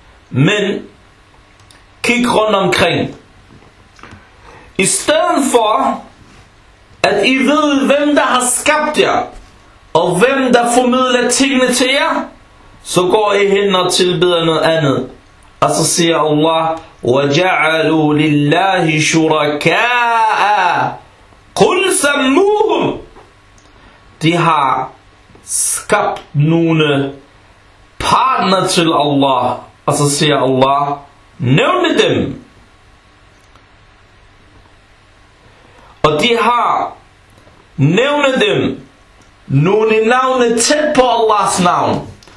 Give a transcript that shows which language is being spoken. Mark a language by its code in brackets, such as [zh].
[da] Men kig rundt omkring. I stedet for at I ved, hvem der har skabt jer, og hvem der formidler tingene til jer, så går I hen og tilbeder noget andet. Og så siger Allah, [ar] وَجَعَلُوا لِلَّهِ شُرَكَاءَ قُلْ سَمُّوهُمْ. [da] De har skabt nogle partner til Allah. Og så siger Allah, nævn dem. Og de har nævnet dem nogle navne tæt på Allahs navn.